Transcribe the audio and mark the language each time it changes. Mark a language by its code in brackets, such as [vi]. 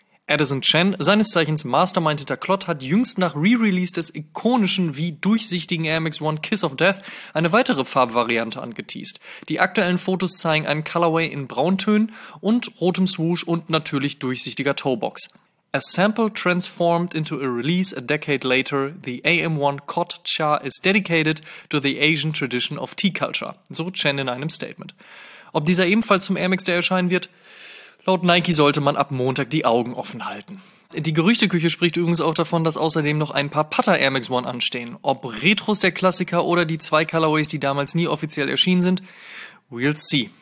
[de] Addison Chen, seines Zeichens Mastermind hinter Klot, hat jüngst nach Re-Release des ikonischen wie durchsichtigen Air Max One Kiss of Death eine weitere Farbvariante angeteased. Die aktuellen Fotos zeigen einen Colorway in Brauntönen und rotem Swoosh und natürlich durchsichtiger Toebox. [en] A sample transformed into a release a decade later, the AM1 Kot Cha is dedicated to the Asian tradition of tea culture, [de] so Chen in einem Statement. Ob dieser ebenfalls zum Air Max Day erscheinen wird? Laut Nike sollte man ab Montag die Augen offen halten. Die Gerüchteküche spricht übrigens auch davon, dass außerdem noch ein paar Putter Air Max One anstehen. Ob Retros der Klassiker oder die zwei Colorways, die damals nie offiziell erschienen sind, [en] we'll see.